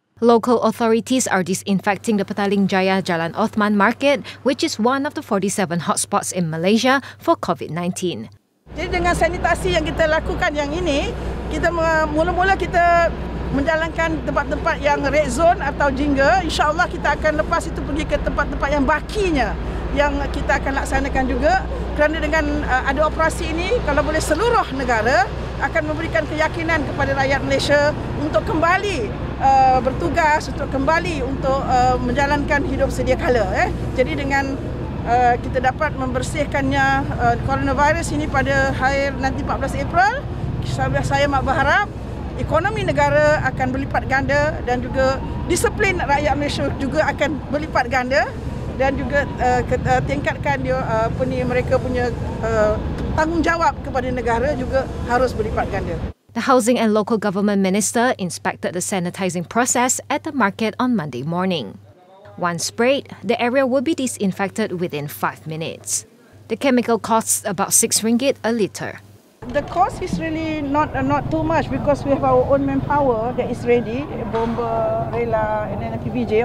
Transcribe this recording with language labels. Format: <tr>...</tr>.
<en>Local authorities are disinfecting the Petaling Jaya Jalan Othman Market, which is one of the 47 hotspots in Malaysia for COVID-19.</en> <ms>Jadi dengan sanitasi yang kita lakukan yang ini, kita mula-mula kita menjalankan tempat-tempat yang red zone atau jingga. InsyaAllah kita akan lepas itu pergi ke tempat-tempat yang bakinya yang kita akan laksanakan juga. Kerana dengan ada operasi ini, kalau boleh seluruh negara akan memberikan keyakinan kepada rakyat Malaysia untuk kembali bertugas, untuk kembali untuk menjalankan hidup sedia kala. Jadi dengan kita dapat membersihkannya coronavirus ini pada akhir nanti 14 April, saya amat berharap ekonomi negara akan berlipat ganda dan juga disiplin rakyat Malaysia juga akan berlipat ganda dan juga tingkatkan dia apa ni, mereka punya tanggungjawab kepada negara juga harus berlipat ganda.</ms> <en>The Housing and Local Government Minister inspected the sanitising process at the market on Monday morning. Once sprayed, the area will be disinfected within 5 minutes. The chemical costs about RM6 a litre. The cost is really not too much because we have our own manpower that is ready, Bomba, Rela and then PVJ.</en>